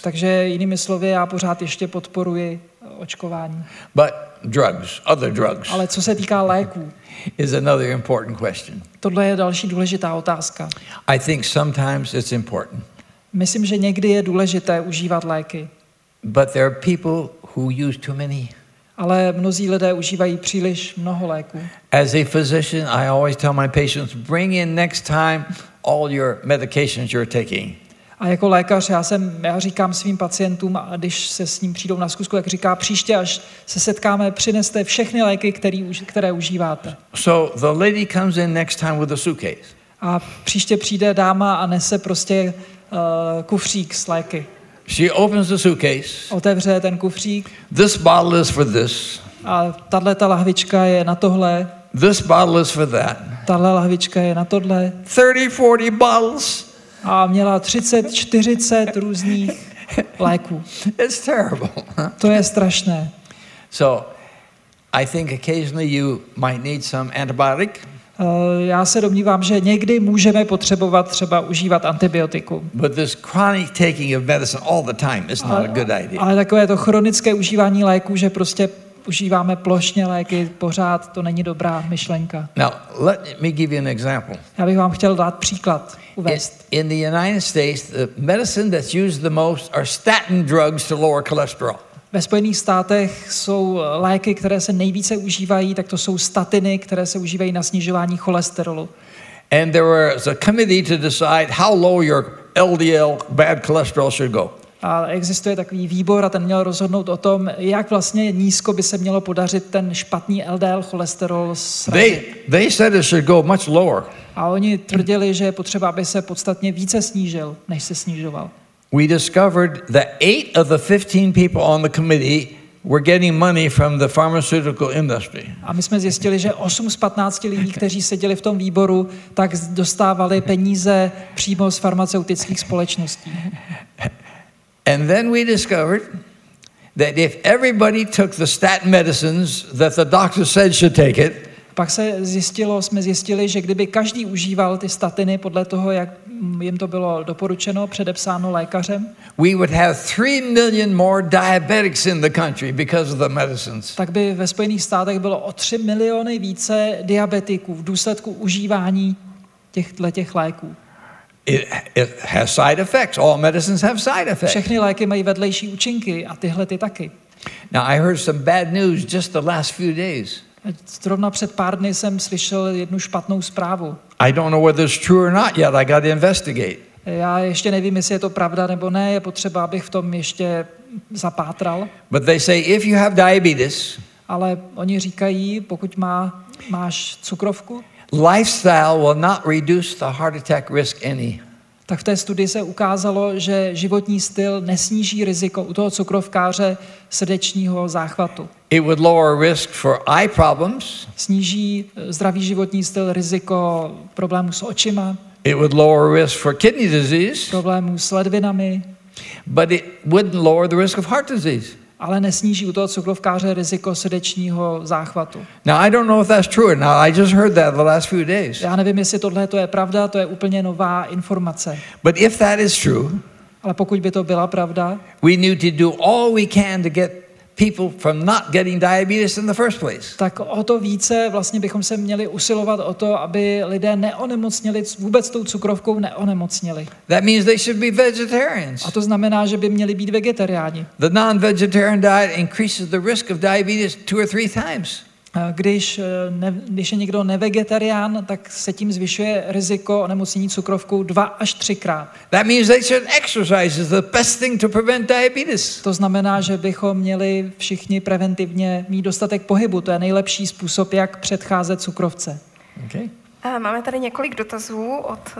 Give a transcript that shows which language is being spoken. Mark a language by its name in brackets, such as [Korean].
[Czech] Takže jinými slovy, já pořád ještě podporuji očkování. [English] But drugs, other drugs. [Czech] Ale co se týká léků? [English] Is another important question. [Czech] Tohle je další důležitá otázka. [English] I think sometimes it's important. [Czech] Myslím, že někdy je důležité užívat léky. [English] But there are people who use too many. [Czech] Ale mnozí lidé užívají příliš mnoho léků. [English] As a physician, I always tell my patients, bring in next time all your medications you're taking. [Czech] A jako lékař já říkám svým pacientům, a když se s ním přijdou na zkusku, jak říká, příště, až se setkáme, přineste všechny léky, které užíváte. [English] So the lady comes in next time with a suitcase. [Czech] A příště přijde dáma a nese prostě kufřík s léky. [English] She opens the suitcase. [Czech] Otevře ten kufřík. [English] This bottle is for this. [Czech] A tahle ta lahvička je na tohle. [English] This bottle is for that. [Czech] Tahle lahvička je na tohle. [English] 30-40 bottles. [Czech] A měla 30-40 různých léků. [English] It's terrible. [Czech] To je strašné. [English] So, I think occasionally you might need some antibiotic. [Czech] Já se domnívám, že někdy můžeme potřebovat třeba užívat antibiotikum. [English] But this chronic taking of medicine all the time is not a good idea. [Czech] Ale takové to chronické užívání léků, že prostě užíváme plošně léky pořád, to není dobrá myšlenka. [English] Now, let me give you an example. [Czech] Já bych vám chtěl dát příklad uvést. [English] In the United States, the medicine that's used the most are statin drugs to lower cholesterol. [Czech] Ve Spojených státech jsou léky, které se nejvíce užívají, tak to jsou statiny, které se užívají na snižování cholesterolu. [English] And there was a committee to decide how low your LDL bad cholesterol should go. [Czech] A existuje takový výbor a ten měl rozhodnout o tom, jak vlastně nízko by se mělo podařit ten špatný LDL cholesterol srazit. [English] They said it should go much lower. [Czech] A oni tvrdili, že je potřeba, aby se podstatně více snížil, než se snižoval. [English] We discovered that 8 of the 15 people on the committee were getting money from the pharmaceutical industry. [Czech] A my jsme zjistili, že 8 z 15 lidí, kteří seděli v tom výboru, tak dostávali peníze přímo z farmaceutických společností. [English] And then we discovered that if everybody took the statin medicines that the doctor said should take it, [Czech] pak se zjistilo, jsme zjistili, že kdyby každý užíval ty statiny podle toho, jak jim to bylo doporučeno, předepsáno lékařem, [English] we would have 3 million more diabetics in the country because of the medicines. [Czech] Tak by ve Spojených státech bylo o 3 miliony více diabetiků v důsledku užívání těch léků. [English] It has side effects. All medicines have side effects. [Czech] Všechny léky mají vedlejší účinky a tyhle ty taky. [English] Now I heard some bad news just the last few days. [Czech] Zrovna před pár dny jsem slyšel jednu špatnou zprávu. [English] I don't know whether it's true or not yet. I got to investigate. [Czech] Já ještě nevím, jestli je to pravda nebo ne. Je potřeba, abych v tom ještě zapátral. [English] But they say if you have diabetes. [Czech] Ale oni říkají, pokud máš cukrovku. [English] Lifestyle will not reduce the heart attack risk any. [Czech] Tak v té studii se ukázalo, že životní styl nesníží riziko u toho cukrovkáře srdečního záchvatu. [English] It would lower risk for eye problems. [Czech] Sníží zdravý životní styl riziko problémů s očima. [English] It would lower risk for kidney disease. [Czech] Problémů s ledvinami. [English] But it wouldn't lower the risk of heart disease. [Czech] Ale nesníží u toho cukrovkáře riziko srdečního záchvatu. [English] Now I don't know if that's true. Now I just heard that the last few days. [Czech] Já nevím, jestli tohle to je pravda, to je úplně nová informace. [English] But if that is true, [Czech] ale pokud by to byla pravda, [English] we need to do all we can to get people from not getting diabetes in the first place. [Czech] Tak o to více vlastně bychom se měli usilovat o to, aby lidé neonemocněli vůbec tou cukrovkou neonemocněli. [English] That means they should be vegetarians. [Czech] A to znamená, že by měli být vegetariáni. [English] The non-vegetarian diet increases the risk of diabetes 2 or 3 times. [Czech] Když je někdo nevegetarián, tak se tím zvyšuje riziko onemocnění cukrovkou 2 až 3x. [English] That means they should exercise is the best thing to prevent diabetes. [Czech] To znamená, že bychom měli všichni preventivně mít dostatek pohybu. To je nejlepší způsob, jak předcházet cukrovce. [English] Okay. [Czech] Máme tady několik dotazů od